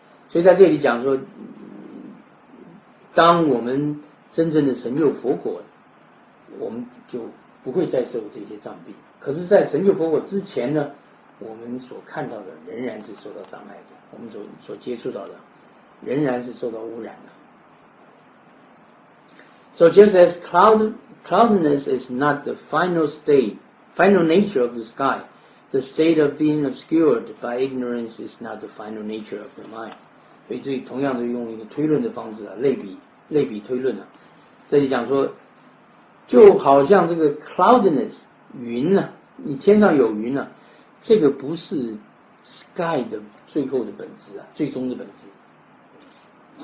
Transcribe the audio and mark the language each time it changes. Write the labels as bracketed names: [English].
[Chinese] 所以在这里讲说，当我们真正的成就佛果，我们就不会再受这些障蔽。可是在成就佛果之前呢，我们所看到的仍然是受到障碍的，我们所接触到的仍然是受到污染的。 [English] So just as cloudiness is not the final nature of the sky, the state of being obscured by ignorance is not the final nature of the mind. [Chinese] 所以这里同样的用一个推论的方式、啊、类比推论、啊、这里讲说就好像这个 cloudiness 云呢、啊，你天上有云呢、啊，这个不是 sky 的最后的本质啊，最终的本质。